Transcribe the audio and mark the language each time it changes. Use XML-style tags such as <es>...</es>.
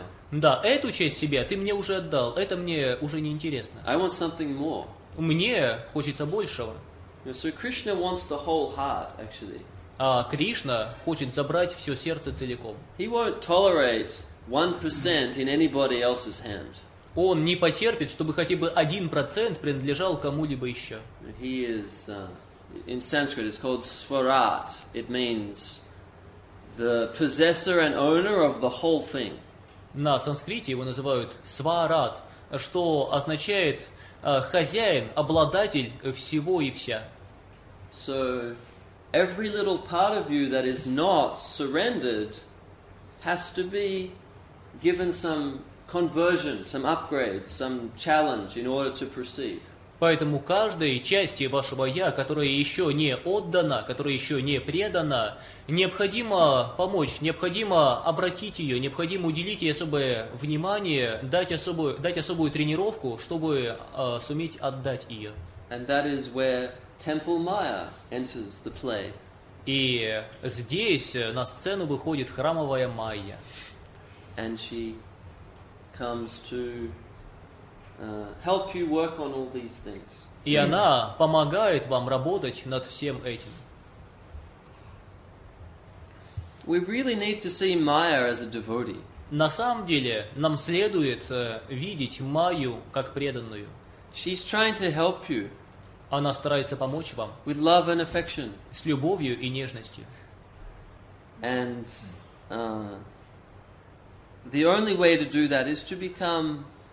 <ru>Да, эту часть себя ты мне уже отдал, это мне уже не интересно.</ru> <en>I want something more.</en> <ru>Мне хочется большего.</ru> <en>So Krishna wants the whole heart, actually.</en> <ru>А Кришна хочет забрать все сердце целиком.</ru> <en>He won't tolerate 1% in anybody else's hand.</en> <ru>Он не потерпит, чтобы хотя бы 1% принадлежал кому-либо еще.</ru> <en>He is, in Sanskrit, it's called Swarat. It means the possessor and owner of the whole thing.</en> <ru>На санскрите его называют Сварат, что означает хозяин, обладатель всего и вся.</ru> <en>So every little part of you that is not surrendered has to be given some conversion, some upgrade, some challenge in order to proceed.</en> <ru>Поэтому каждой части вашего я, которая еще не отдана, которая еще не предана, необходимо помочь, необходимо обратить ее, необходимо уделить ей особое внимание, дать особую тренировку, чтобы суметь отдать ее.</ru> <en>And that is where Temple Maya enters the play.</en> <ru>И здесь на сцену выходит храмовая майя.</ru> <en>And she comes to help you work on all these things.</en> <ru>И она помогает вам работать над всем этим.</ru> <en>We really need to see Maya as a devotee.</en> <ru>На самом деле, нам следует видеть Майю как преданную.</ru> <en>She's trying to help you.</en> <ru>Она старается помочь вам.</ru> <en>With love and affection.</en> <ru>С любовью и нежностью.</ru> <en>And the only way to do that is to become</en>